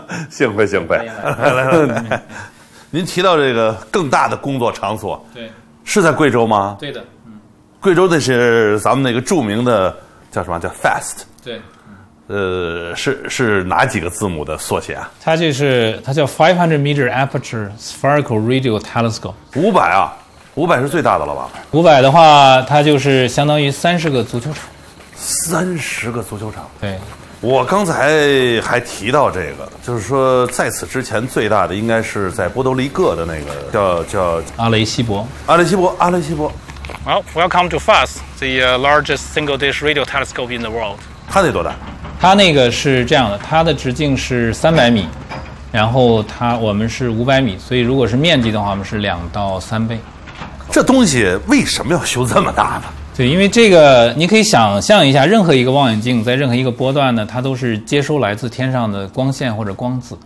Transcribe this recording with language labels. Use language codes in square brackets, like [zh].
[zh] 幸会幸会，来。您提到这个更大的工作场所，对，是在贵州吗？对的，嗯，贵州的是咱们那个著名的叫什么？叫 FAST。对，是哪几个字母的缩写啊？它就是它叫 500 meter aperture spherical radio telescope。 500啊，500是最大的了吧？ 500的话，它就是相当于30个足球场。 30个足球场，对。我刚才还提到这个，就是说在此之前最大的应该是在波多黎各的那个叫阿雷西博。 [en] Well, welcome to FAST, the largest single dish radio telescope in the world. [zh] 它得多大？它那个是这样的，它的直径是300米，然后它我们是500米，所以如果是面积的话，我们是2到3倍。这东西为什么要修这么大呢？对，因为这个你可以想象一下，任何一个望远镜在任何一个波段呢，它都是接收来自天上的光线或者光子。